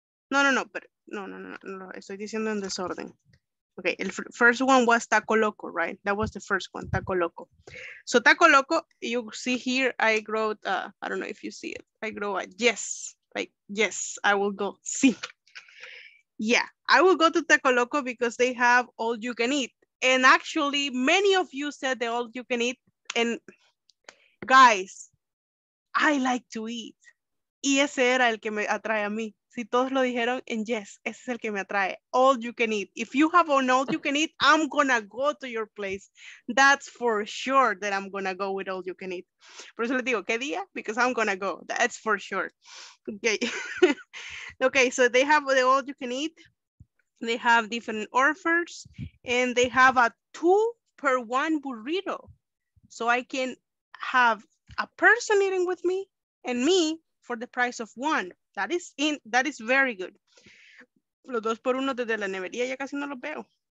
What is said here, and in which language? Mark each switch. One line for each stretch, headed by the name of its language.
Spanish: No, no, no, pero no, no, no, no, no, estoy diciendo en desorden.
English: Okay, el first one was Taco Loco, right? That was the first one, Taco Loco. So Taco Loco, you see here, I wrote, I don't know if you see it. I wrote a yes, like, yes, I will go, sí. Yeah, I will go to Taco Loco because they have all you can eat. And actually many of you said the all you can eat. And guys, I like to eat.
Spanish: Y ese era el que me atrae a mí. Si todos lo dijeron,
English: and yes,
Spanish: ese es el que me atrae.
English: All you can eat. If you have an all you can eat, I'm gonna go to your place. That's for sure that I'm gonna go with all you can eat.
Spanish: Por eso les digo, ¿qué día?
English: Because I'm gonna go. That's for sure. Okay. Okay, so they have the all you can eat. They have different offers. And they have a 2-for-1 burrito. So I can have a person eating with me and me for the price of one. That is in, that is very good.
Spanish: Los dos por uno desde la nevería ya casi no los veo.